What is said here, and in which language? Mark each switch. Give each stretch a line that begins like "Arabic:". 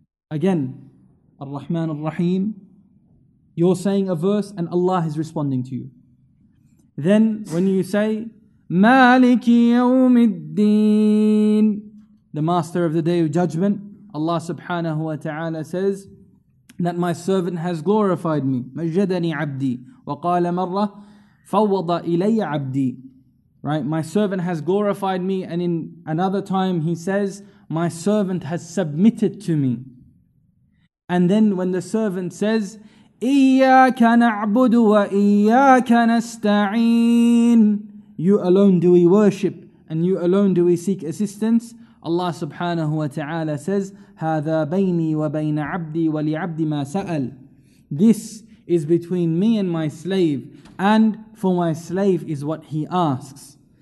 English: Again, Ar-Rahman Ar-Rahim, you're saying a verse and Allah is responding to you. Then when you say,
Arabic: مَالِكِ يَوْمِ الدِّينِ,
English: the master of the day of judgment, Allah subhanahu wa ta'ala says that my servant has glorified me.
Arabic: مَجَّدَنِي عَبْدِي وَقَالَ مَرَّةً فَوَّضَ إِلَيَّ عَبْدِي,
English: right? My servant has glorified me. And in another time he says, my servant has submitted to me. And then when the servant says,
Arabic: إِيَّاكَ نَعْبُدُ وَإِيَّاكَ نَسْتَعِينَ,
English: you alone do we worship and you alone do we seek assistance, Allah subhanahu wa ta'ala says,
Arabic: هَذَا بَيْنِي وَبَيْنَ عَبْدِي وَلِعَبْدِي مَا سَأَلْ,
English: this is between me and my slave, and for my slave is what he asks.